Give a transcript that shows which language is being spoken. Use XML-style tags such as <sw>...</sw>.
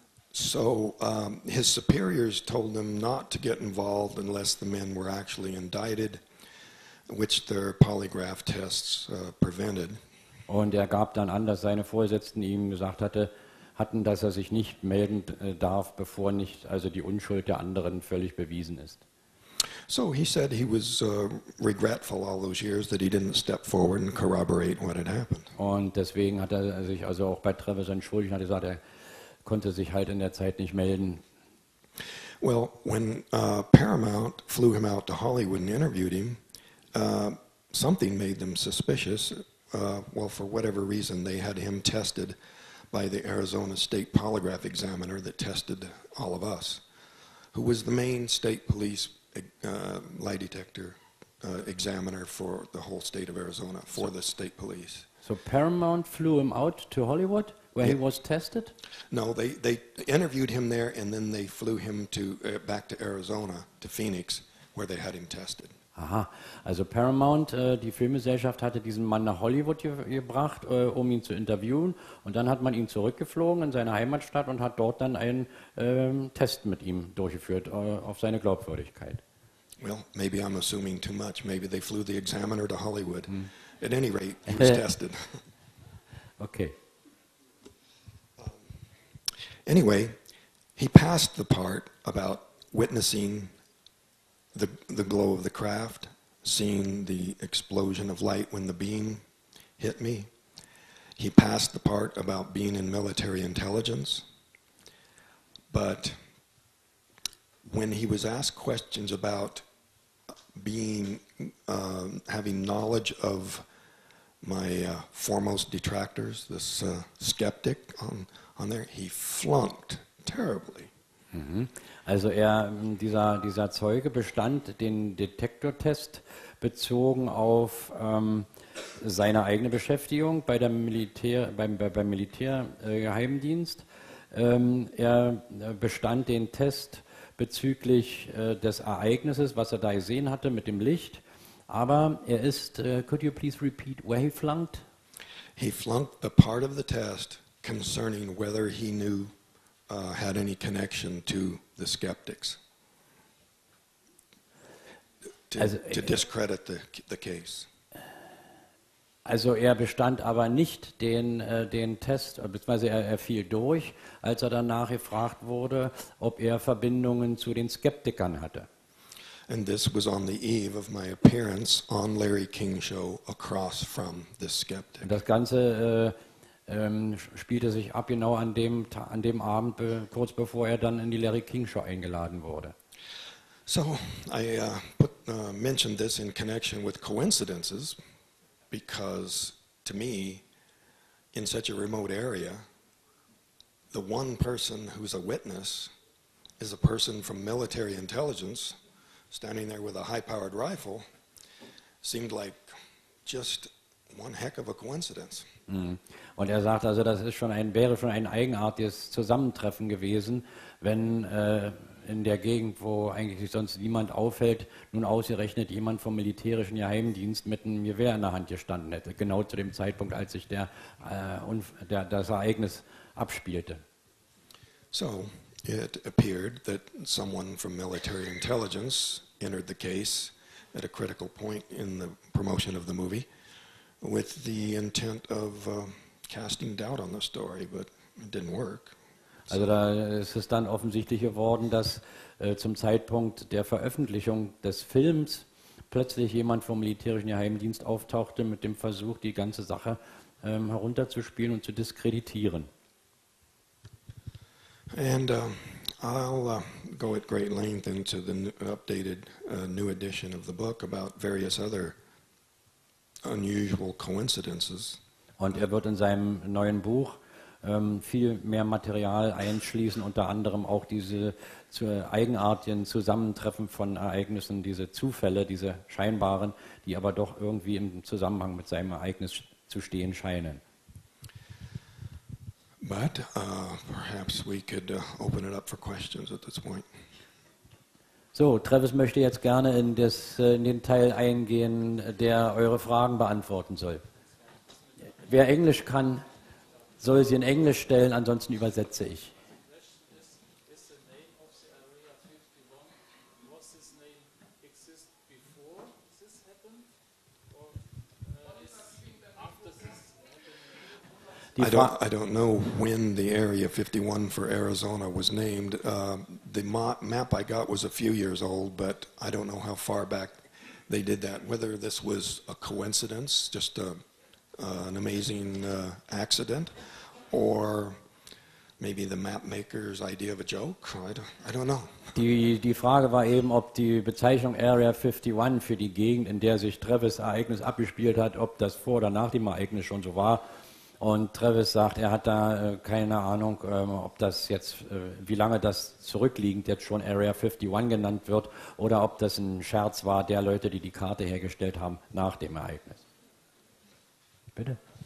<en>So, his superiors told them not to get involved unless the men were actually indicted, which their polygraph tests prevented.</en> <de>Und er gab dann an, dass seine Vorgesetzten ihm gesagt hatten, dass er sich nicht melden darf, bevor nicht also die Unschuld der anderen völlig bewiesen ist.</de> <en>So he said he was regretful all those years that he didn't step forward and corroborate what had happened.</en> <de>Und deswegen hat er sich also auch bei Travis entschuldigt und hat gesagt, er konnte sich halt in der Zeit nicht melden.</de> <en>Well, when Paramount flew him out to Hollywood and interviewed him, something made them suspicious. Well, for whatever reason, they had him tested by the Arizona State Polygraph Examiner that tested all of us, who was the main state police lie detector examiner for the whole state of Arizona, for the state police. So Paramount flew him out to Hollywood, where he was tested? No, they interviewed him there, and then they flew him to back to Arizona, to Phoenix, where they had him tested.</en> <de>Aha, also Paramount, die Filmgesellschaft hatte diesen Mann nach Hollywood gebracht, um ihn zu interviewen. Und dann hat man ihn zurückgeflogen in seine Heimatstadt und hat dort dann einen Test mit ihm durchgeführt auf seine Glaubwürdigkeit.</de> <en>Well, maybe I'm assuming too much. Maybe they flew the examiner to Hollywood. Hm. At any rate, he was tested. Okay. Anyway, he passed the part about witnessing the glow of the craft, seeing the explosion of light when the beam hit me. He passed the part about being in military intelligence, but when he was asked questions about being having knowledge of my foremost detractors, this skeptic on there, he flunked terribly. Mm-hmm.</en> <de>Also dieser Zeuge bestand den Detektortest bezogen auf seine eigene Beschäftigung bei der beim Militärgeheimdienst. Er bestand den Test bezüglich des Ereignisses, was er da gesehen hatte mit dem Licht. Aber er ist,</de> <en>could you please repeat where he flunked? He flunked the part of the test concerning whether he knew, had any connection to the skeptics. To discredit the case.</en> <de>Also er bestand aber nicht den Test, beziehungsweise er fiel durch, als er danach gefragt wurde, ob er Verbindungen zu den Skeptikern hatte.</de> <en>And this was on the eve of my appearance on Larry King's show across from the skeptic.</en> <de>Das Ganze spielte sich ab genau an dem Abend, kurz bevor er dann in die Larry King Show eingeladen wurde.</de> <en>So, I mentioned this in connection with coincidences, because to me, in such a remote area, the one person who's a witness is a person from military intelligence standing there with a high-powered rifle. Seemed like just one heck of a coincidence. Mm.</en> <de>Und er sagt, also das ist schon wäre schon ein eigenartiges Zusammentreffen gewesen, wenn in der Gegend, wo eigentlich sonst niemand aufhält, nun ausgerechnet jemand vom militärischen Geheimdienst mit einem Gewehr in der Hand gestanden hätte, genau zu dem Zeitpunkt, als sich das Ereignis abspielte.</de> <en>So, it appeared that someone from military intelligence entered the case at a critical point in the promotion of the movie with the intent of casting doubt on the story, but it didn't work.</en> <de>Also da ist es dann offensichtlich geworden, dass zum Zeitpunkt der Veröffentlichung des Films plötzlich jemand vom militärischen Geheimdienst auftauchte mit dem Versuch, die ganze Sache herunterzuspielen und zu diskreditieren.</de> <en>And I'll go at great length into the updated new edition of the book about various other unusual coincidences.</en> <de>Und er wird in seinem neuen Buch viel mehr Material einschließen, unter anderem auch diese zu eigenartigen Zusammentreffen von Ereignissen, diese Zufälle, diese scheinbaren, die aber doch irgendwie im Zusammenhang mit seinem Ereignis zu stehen scheinen.</de> <en>But perhaps we could open it up for questions at this point.</en> <de>So, Travis möchte jetzt gerne in den Teil eingehen, der eure Fragen beantworten soll. Wer Englisch kann, soll sie in Englisch stellen, ansonsten übersetze ich.</de> <en>I don't know when the Area 51 for Arizona was named. The map I got was a few years old, but I don't know how far back they did that. Whether this was a coincidence, just an amazing accident, or maybe the mapmaker's idea of a joke, I don't know.</en> <de>Die Frage war eben, ob die Bezeichnung Area 51 für die Gegend, in der sich Travis' Ereignis abgespielt hat, ob das vor oder nach dem Ereignis schon so war. Und Travis sagt, er hat da keine Ahnung, ob das jetzt, wie lange das zurückliegend jetzt schon Area 51 genannt wird, oder ob das ein Scherz war der Leute, die die Karte hergestellt haben nach dem Ereignis. Bitte.</de>